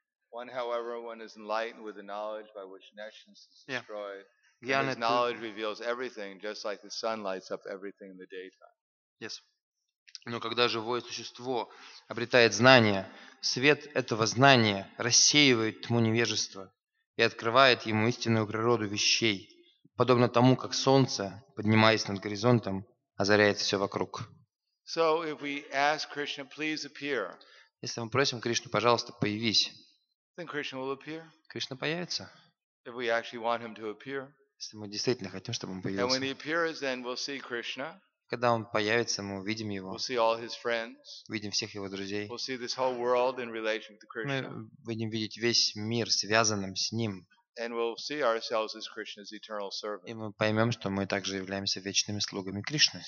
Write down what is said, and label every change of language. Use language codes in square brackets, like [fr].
[en] One, however, one is enlightened with the knowledge by which nations is destroyed. Yeah. And his knowledge reveals everything, just like the sun lights up everything in the daytime. Yes. [ru] Но когда живое существо обретает знание, свет этого знания рассеивает тьму невежества и открывает ему истинную природу вещей, подобно тому, как солнце, поднимаясь над горизонтом, озаряет все вокруг. [en] So if we ask Krishna, please appear. [ru] Если мы просим Кришну, пожалуйста, появись. [en] Then Krishna will appear. [ru] Кришна появится. [en] If we actually want him to appear, [ru] если мы действительно хотим, чтобы он появился, [en] and when he appears, then we'll see Krishna. [ru] Когда он появится, мы увидим его. [en] We'll see all his friends. [ru] Увидим всех его друзей. [en] We'll see this whole world in relation to Krishna. [ru] Мы будем видеть весь мир связанным с ним. [en] And we'll see ourselves as Krishna's eternal servant. [ru] И мы поймем, что мы также являемся вечными слугами Кришны.